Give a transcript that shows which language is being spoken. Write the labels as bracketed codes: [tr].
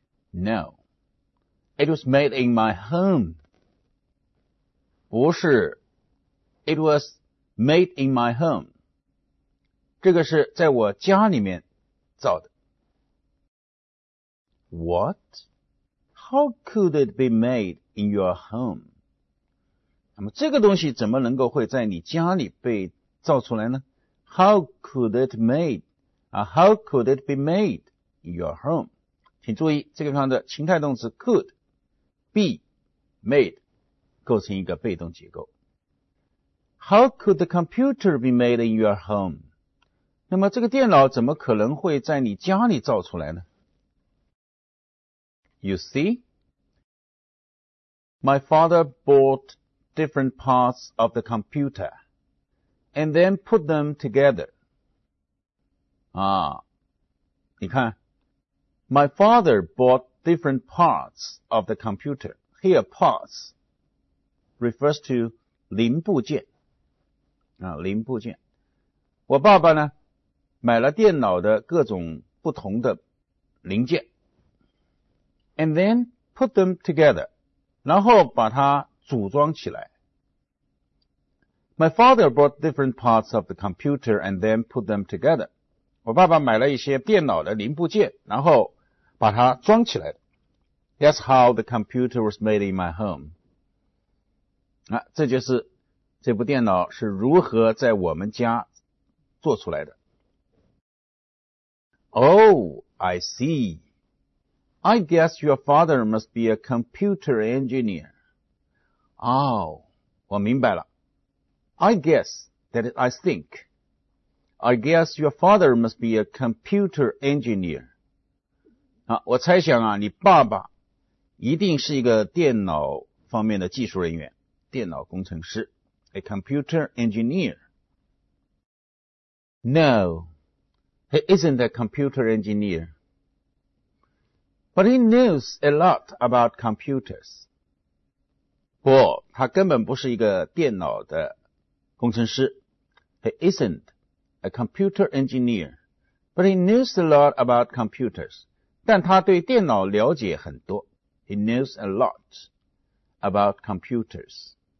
[en] No. It was made in my home. [zh] 不是。 [en] It was made in my home. [zh] 这个是在我家里面造的。 [en] What? How could it be made in your home? [zh] 那么这个东西怎么能够会在你家里被造出来呢？ [en] How could it made? How could it be made in your home? [zh] 请注意这个地方的情态动词 [en] could be made [zh] 构成一个被动结构。 [en] How could the computer be made in your home? [zh] 那么这个电脑怎么可能会在你家里造出来呢？ [en] You see, my father bought different parts of the computer and then put them together. [zh] 啊，你看 [en] ,my father bought different parts of the computer. Here, parts refers to [zh] 零部件。啊，零部件。我爸爸呢买了电脑的各种不同的零件。 [en] And then put them together. [zh] 然后把它组装起来。 [en] My father bought different parts of the computer and then put them together. [zh] 我爸爸买了一些电脑的零部件，然后把它装起来。 [en] That's how the computer was made in my home. [zh] 啊，这就是这部电脑是如何在我们家做出来的。 [en] Oh, I see. I guess your father must be a computer engineer. [zh] 哦，我明白了。 [en] I guess, that is, I think. I guess your father must be a computer engineer. [zh] 啊，我猜想啊，你爸爸一定是一个电脑方面的技术人员，电脑工程师。 [en] A computer engineer. No, he isn't a computer engineer. But he knows a lot about computers. [zh] 不，他根本不是一个电脑的工程师。 [en] He isn't a computer engineer, but he knows a lot about computers. [zh] 但他对电脑了解很多。 [en] He knows a lot about computers.